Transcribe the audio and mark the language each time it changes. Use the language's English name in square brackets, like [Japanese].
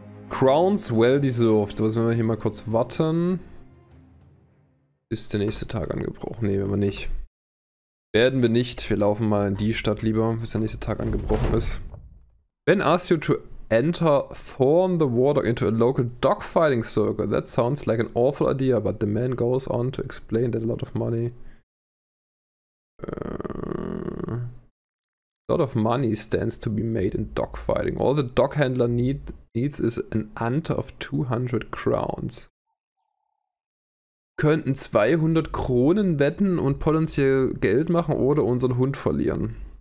[English] Crowns well deserved. [German] Was, wenn wir hier mal kurz warten? Ist der nächste Tag angebrochen? Ne, wenn wir nicht. Werden wir nicht. Wir laufen mal in die Stadt lieber, bis der nächste Tag angebrochen ist. [English] When asked you to enter Thorn the Warlock into a local dogfighting circle. That sounds like an awful idea, but the man goes on to explain that a lot of money. A lot of money stands to be made in dogfighting. All the dog handler needs is an ante of 200 crowns. [German] Könnten 200 Kronen wetten und potenziell Geld machen oder unseren Hund verlieren.